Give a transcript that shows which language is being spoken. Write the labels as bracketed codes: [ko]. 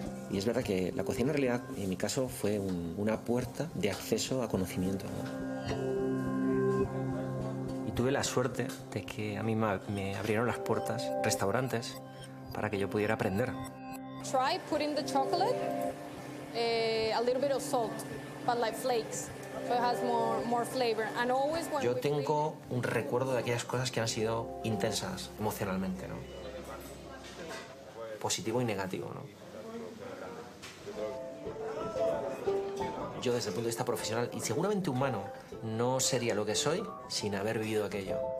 [es] Y es verdad que la cocina en realidad, en mi caso, fue una puerta de acceso a conocimiento, ¿no? Y tuve la suerte de que a mí me abrieron las puertas restaurantes para que yo pudiera aprender. [en] Try putting the chocolate, a little bit of salt, but like flakes, so it has more flavor. And always when [es] yo tengo un recuerdo de aquellas cosas que han sido intensas emocionalmente, ¿no? Positivo y negativo, ¿no? Yo, desde el punto de vista profesional y seguramente humano, no sería lo que soy sin haber vivido aquello.